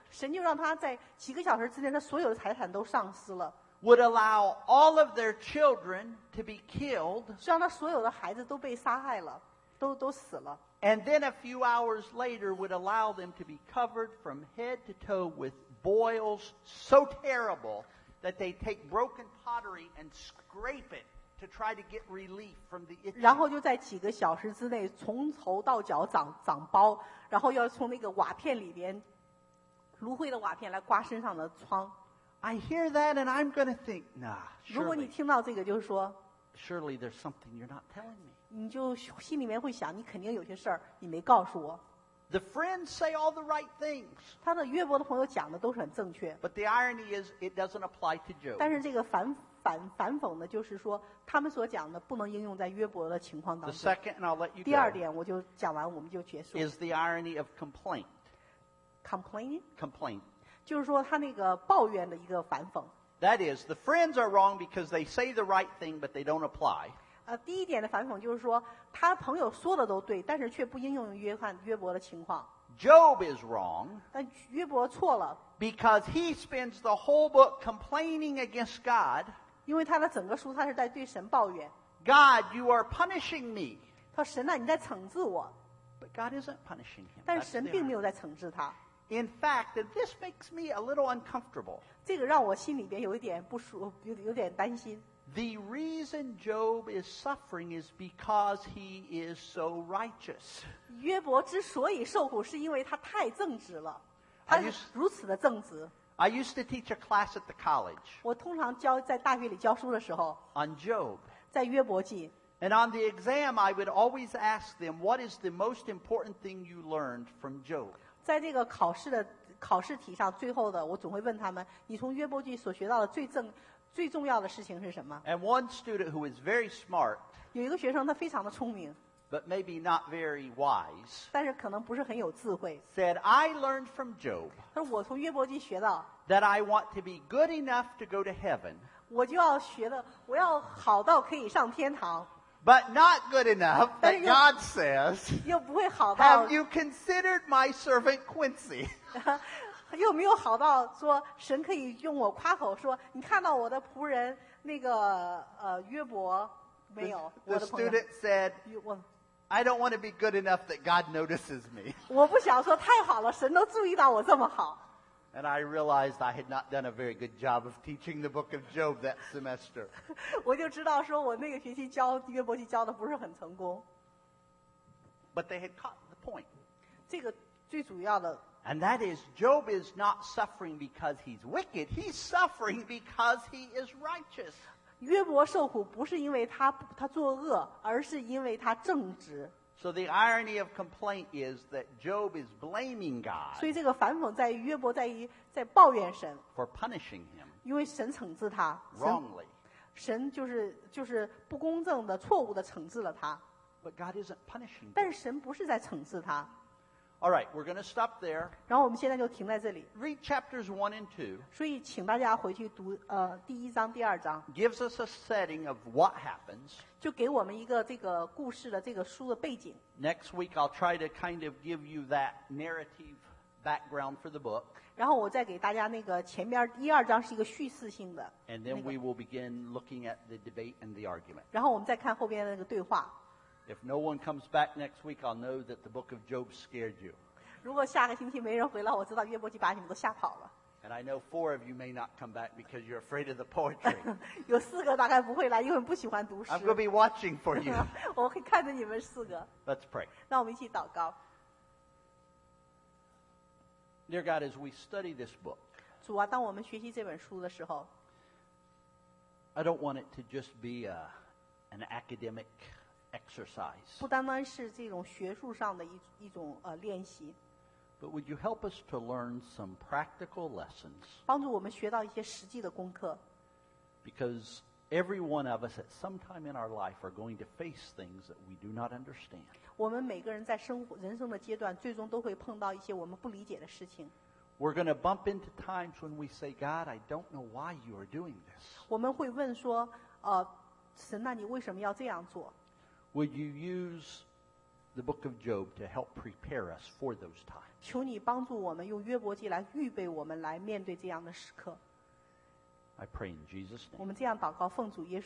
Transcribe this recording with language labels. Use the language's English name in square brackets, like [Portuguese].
[Chinese] 神就让他在几个小时之内，他所有的财产都丧失了 [English] Would allow all of their children to be killed. [Chinese] 让他所有的孩子都被杀害了，都死了 [English] And then a few hours later would allow them to be covered from head to toe with boils so terrible. That they take broken pottery and scrape it to try to get relief from the itching. [Chinese] 然后就在几个小时之内，从头到脚长包，然后要从那个瓦片里边，芦荟的瓦片来刮身上的疮。 [English] I hear that, and I'm going to think, nah. Surely, [Chinese] 如果你听到这个，就是说 [English] ，Surely there's something you're not telling me. [Chinese] 你就心里面会想，你肯定有些事儿你没告诉我。 [English] The friends say all the right things. [Chinese] 他的约伯的朋友讲的都是很正确。 [English] But the irony is, it doesn't apply to Job. [Chinese] 但是这个反讽呢，就是说他们所讲的不能应用在约伯的情况当中。 [English] The second, and I'll let you go. [Chinese] 第二点，我就讲完，我们就结束。 [English] Is the irony of complaint? Complaint. [Chinese] 就是说他那个抱怨的一个反讽。 [English] That is, the friends are wrong because they say the right thing, but they don't apply. [Chinese] 第一点的反讽就是说他朋友说的都对但是却不应用于约伯的情况 [English] Job is wrong [Chinese] 但约伯错了 [English] because he spends the whole book complaining against God [Chinese] 因为他的整个书他是在对神抱怨 [English] God you are punishing me [Chinese] 他说神啊你在惩治我 [English] but God isn't punishing him [Chinese] 但神并没有在惩治他 [English] In fact, this makes me a little uncomfortable. [Chinese] 这个让我心里边有一点不舒服，有点担心。 [English] The reason Job is suffering is because he is so righteous. [Chinese] 约伯之所以受苦是因为他太正直了，他如此的正直。 [English] I used to teach a class at the college. [Chinese] 我通常教在大学里教书的时候。 [English] On Job. [Chinese] 在约伯记。 [English] And on the exam, I would always ask them, "What is the most important thing you learned from Job?" [Chinese] 在这个考试的考试题上，最后的我总会问他们，你从约伯记所学到的最重要的事情是什么？ [English] And one student who is very smart. [Chinese] 有一个学生他非常的聪明。 [English] But maybe not very wise. [Chinese] 但是可能不是很有智慧。 [English] Said I learned from Job. [Chinese] 他说我从约伯记学到。 [English] That I want to be good enough to go to heaven. [Chinese] 我就要学的，我要好到可以上天堂。 [English] But not good enough, but God says, [Chinese] 又不会好到, [English] Have you considered my servant Quincy? [Chinese] 又没有好到说神可以用我夸口说你看到我的仆人那个约伯没有 [English] The student said, I don't want to be good enough that God notices me. [Chinese] 我不想说太好了神都注意到我这么好。 [English] And I realized I had not done a very good job of teaching the book of Job that semester. [Chinese] 我就知道说我那个学期教约伯记教的不是很成功。 [English] But they had caught the point. [Chinese] 这个最主要的。 [English] And that is, Job is not suffering because he's wicked. He's suffering because he is righteous. [Chinese] 约伯受苦不是因为他作恶，而是因为他正直。 [English] So the irony of complaint is that Job is blaming God. [Chinese] 所以这个反讽在于约伯在抱怨神。 [English] For punishing him. [Chinese] 因为神惩治他。 [English] Wrongly. [Chinese] 神就是不公正的错误的惩治了他。 [English] But God isn't punishing him. [Chinese] 但是神不是在惩治他。 [English] All right, we're going to stop there. [Chinese] 然后我们现在就停在这里。 [English] Read chapters 1 and 2. [Chinese] 所以请大家回去读第一章第二章。 [English] Gives us a setting of what happens. [Chinese] 就给我们一个这个故事的这个书的背景。 [English] Next week, I'll try to kind of give you that narrative background for the book. [Chinese] 然后我再给大家那个前面第二章是一个叙事性的。 [English] And then we will begin looking at the debate and the argument. [Chinese] 然后我们再看后边的那个对话。 [English] If no one comes back next week, I'll know that the book of Job scared you. [Chinese] 如果下个星期没人回来，我知道约伯记把你们都吓跑了。 [English] And I know 4 of you may not come back because you're afraid of the poetry. [Chinese] 有四个大概不会来，因为不喜欢读诗。 [English] I'm going to be watching for you. [Chinese] 我会看着你们四个。 [English] Let's pray. [Chinese] 让我们一起祷告。 [English] Dear God, as we study this book, [Chinese] 主啊，当我们学习这本书的时候， [English] I don't want it to just be an academic. Exercise. [Chinese] 不单单是这种学术上的一种练习。 [English] But would you help us to learn some practical lessons? [Chinese] 帮助我们学到一些实际的功课。 [English] Because every one of us at some time in our life are going to face things that we do not understand. [Chinese] 我们每个人在人生的阶段，最终都会碰到一些我们不理解的事情。 [English] We're going to bump into times when we say, "God, I don't know why you are doing this." [Chinese] 我们会问说，神，那你为什么要这样做？ [English] Would you use the book of Job to help prepare us for those times? [Chinese] 求你帮助我们用约伯记来预备我们来面对这样的时刻。 [English] I pray in Jesus' name. [Chinese] 我们这样祷告，奉主耶稣。